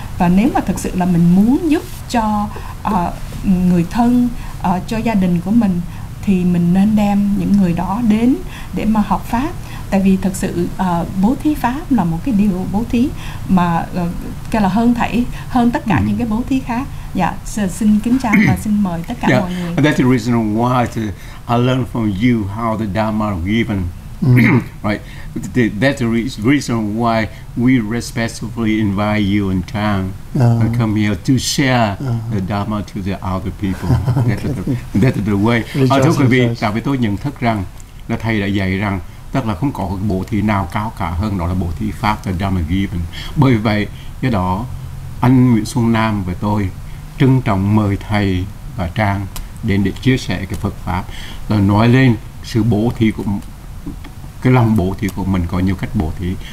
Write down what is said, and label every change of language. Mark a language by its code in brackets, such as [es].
[vi] Và nếu mà thực sự là mình muốn giúp cho người thân, cho gia đình của mình, thì mình nên đem những người đó đến để mà học Pháp. Tại vì thực sự bố thí Pháp là một cái điều bố thí mà kêu là hơn tất cả những cái bố thí khác. Dạ, xin kính chào và xin mời tất cả mọi người. [en] And that's the reason why I learned from you how the Dharma are given. Right. That's the reason why we respectfully invite you in town and come here to share the Dharma to the other people. That's the way. [vi] Tại vì tôi nhận thức rằng là thầy đã dạy rằng, tức là không có bộ thi nào cao cả hơn đó là bộ thi Pháp, [en] the Dharma given. [vi] Bởi vậy, do đó anh Nguyễn Xuân Nam và tôi trân trọng mời thầy và Trang đến để chia sẻ cái Phật Pháp, là nói lên sự bộ thi của cái lòng bổ thí của mình, có nhiều cách bổ thí.